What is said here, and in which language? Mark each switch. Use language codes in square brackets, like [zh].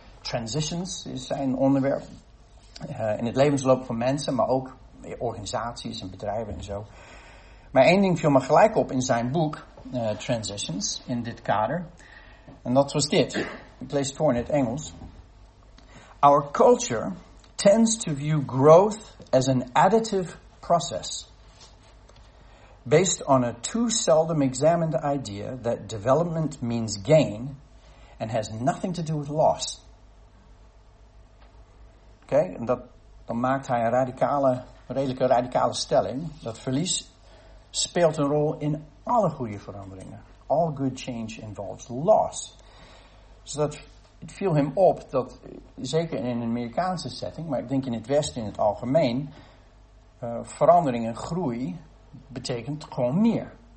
[nl] Transitions is zijn onderwerp in het levensloop van mensen, maar ook organisaties en bedrijven en zo. Maar één ding viel me gelijk op in zijn boek, Transitions, in dit kader. En dat was dit. Ik lees het voor in het Engels. [en] Our culture tends to view growth as an additive process based on a too seldom examined idea that development means gain and has nothing to do with loss. Okay? [nl] En dat, dan maakt hij een radicale, redelijke radicale stelling. Dat verlies speelt een rol in alle goede veranderingen. [en] All good change involves loss. [nl] Dus dat, het viel hem op dat, zeker in een Amerikaanse setting, maar ik denk in het Westen in het algemeen, verandering en groei betekent gewoon meer.